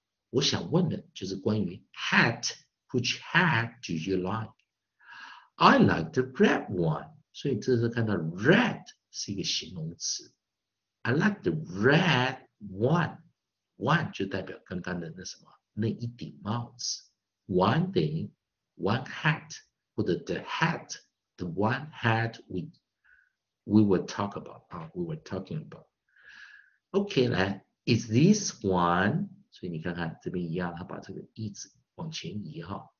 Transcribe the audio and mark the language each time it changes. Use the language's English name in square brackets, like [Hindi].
[Chinese] 我想问的就是关于 hat. [English] Which hat do you like? I like the red one. [Chinese] 所以这时候看到 red 是一个形容词。 [English] I like the red one. [Chinese] One 就代表刚刚的那什么，那一顶帽子。 [English] One [Chinese] 等于 [English] one hat， [Chinese] 或者 [English] the hat，the one hat we were talk about 啊 ，we were talking about。 OK， 来 ，is this one？ [Chinese] 所以你看看这边一样，他把这个 is 往前移哈。